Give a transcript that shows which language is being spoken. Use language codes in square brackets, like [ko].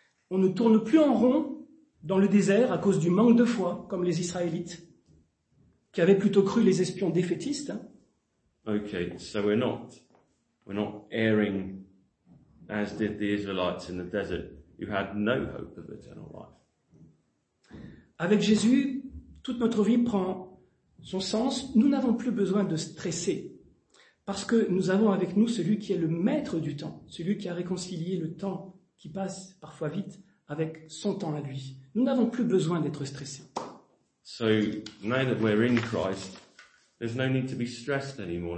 [fr] On ne tourne plus en rond dans le désert à cause du manque de foi, comme les Israélites, qui avaient plutôt cru les espions défaitistes. [en] Okay, so we're not erring as did the Israelites in the desert, who had no hope of eternal life. [fr] Avec Jésus, toute notre vie prend son sens. Nous n'avons plus besoin de stresser, parce que nous avons avec nous celui qui est le maître du temps, celui qui a réconcilié le temps qui passe parfois vite avec son temps à lui. Nous n'avons plus besoin d'être stressés. [en] So now that we're in Christ, there's no need to be stressed anymore.